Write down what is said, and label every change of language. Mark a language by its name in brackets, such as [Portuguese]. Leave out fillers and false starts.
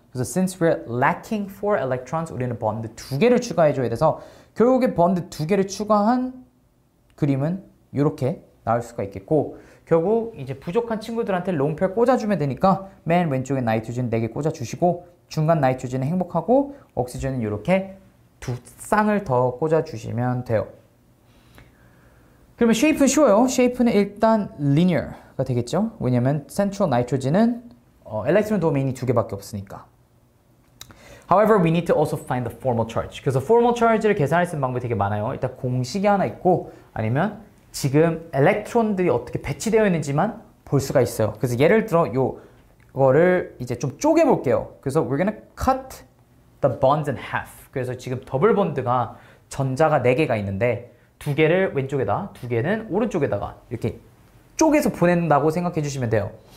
[Korean] 그래서 [English] since we're lacking 4 electrons [Korean] 우리는 번드 2개를 추가해 줘야 돼서 결국에 번드 2개를 추가한 그림은 이렇게 나올 수가 있겠고 결국 이제 부족한 친구들한테 롱페어 꽂아주면 되니까 맨 왼쪽에 나이트로진 4개 꽂아주시고 중간 나이트로진은 행복하고 옥시진은 이렇게 두 쌍을 더 꽂아주시면 돼요. 그러면 쉐이프는 쉬워요. 쉐이프는 일단 리니어가 되겠죠? 왜냐면 센트럴 나이트로진은 엘렉트론 도메인이 두 개밖에 없으니까. [English] However, we need to also find the formal charge. [Korean] 그래서 formal charge를 계산할 수 있는 방법이 되게 많아요. 일단 공식이 하나 있고 아니면 지금 엘렉트론들이 어떻게 배치되어 있는지만 볼 수가 있어요. 그래서 예를 들어 이거를 이제 좀 쪼개볼게요. 그래서 [English] we're gonna cut the bonds in half. [Korean] 그래서 지금 더블 본드가 전자가 4개가 있는데 두 개를 왼쪽에다, 두 개는 오른쪽에다가 이렇게 쪼개서 보낸다고 생각해 주시면 돼요.